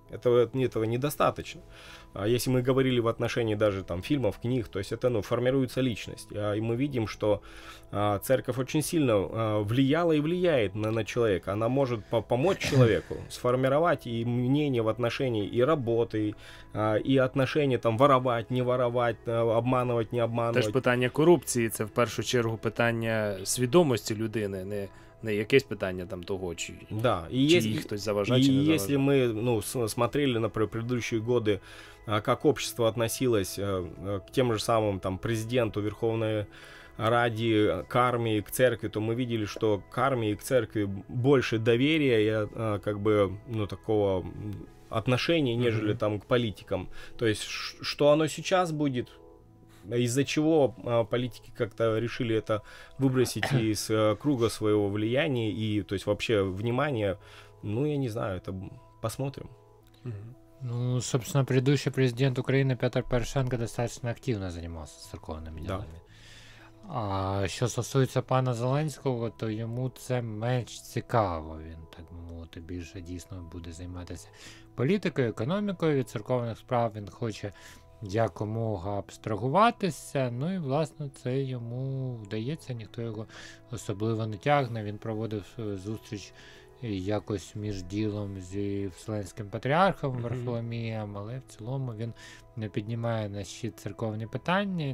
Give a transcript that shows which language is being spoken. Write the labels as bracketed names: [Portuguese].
[Russian] Этого недостаточно. Если мы говорили в отношении даже там фильмов, книг, то есть это, ну, формируется личность. И мы видим, что церковь очень сильно влияла и влияет на человека. Она может помочь человеку сформировать и мнение в отношении и работы, и отношения там воровать, не воровать, обманывать, не обманывать. [Ukrainian] Теж питання корупції, це в першу чергу питання свідомості людини, не якесь питання там того, чи хтось заважає, чи не заважає. І якщо ми, [Russian] ну, смотрели, наприклад, предыдущие годы, как общество относилось к тем же самым там, президенту Верховной Ради, к армии, к церкви, то мы видели, что к армии и к церкви больше доверия и как бы, ну, такого отношения, нежели там к политикам. То есть, что оно сейчас будет, из-за чего политики как-то решили это выбросить из круга своего влияния и, то есть, вообще внимания, ну, я не знаю, это посмотрим. Ну, собственно, предыдущий президент Украины Петр Порошенко достаточно активно занимался церковными делами. Да. А что касается пана Зеленского, то ему это меньше цікаво. [Ukrainian] Він, так мовити, більше дійсно буде займатися політикою, економікою, від церковних справ він хоче якомога абстрагуватися. Ну і, власне, це йому вдається, ніхто його особливо не тягне. Він проводив зустріч якось між ділом зі Вселенським патріархом Варфоломієм, але в цілому він не піднімає на щит церковні питання.